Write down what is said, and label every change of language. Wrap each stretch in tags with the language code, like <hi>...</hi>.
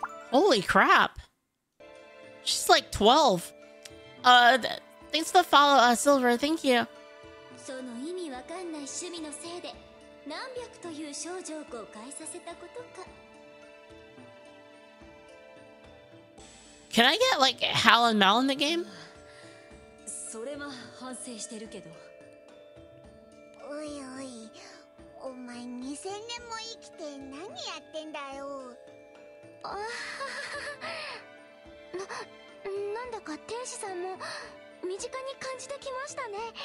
<en>Holy crap! She's like 12. Thanks for the follow, Silver. Thank you.</en> <ja>その意味わかんない趣味のせいで何百という症状を誤解させたことか。</ja> <en>Can I get like Hal and Mel in the game?</en> <ja>それは反省してるけど。おいおい、お前2000年も生きて何やってんだよ。なんだか天使さんも身近に感じてきましたね。</ja>